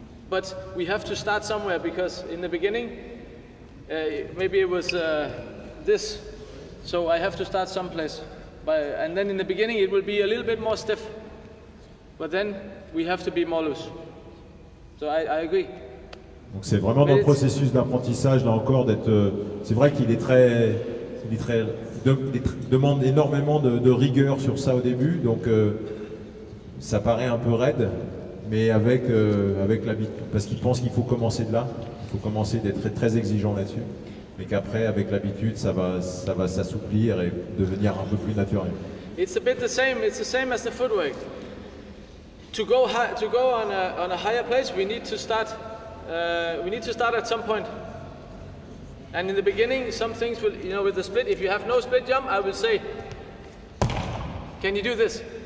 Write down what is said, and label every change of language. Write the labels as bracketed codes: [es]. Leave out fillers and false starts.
[en] But we have to start somewhere, because in the beginning, maybe it was this. So I have to start someplace. And then in the beginning, it will be a little bit more stiff. But then we have to be more loose. So I agree. [fr] Donc c'est vraiment dans le processus d'apprentissage, là encore, d'être. C'est vrai qu'il est très. Il est très. Demande énormément de rigueur sur ça au début, donc ça paraît un peu raide, mais avec l'habitude. Parce qu'il pense qu'il faut commencer de là, il faut commencer d'être très, très exigeant là-dessus, mais qu'après, avec l'habitude, ça va s'assouplir et devenir un peu plus naturel. [en] It's a bit the same, it's the same as the footwork. To go on a higher place, we need to start at some point. And in the beginning, some things will, you know, with the split. If you have no split jump, I will say, can you do this?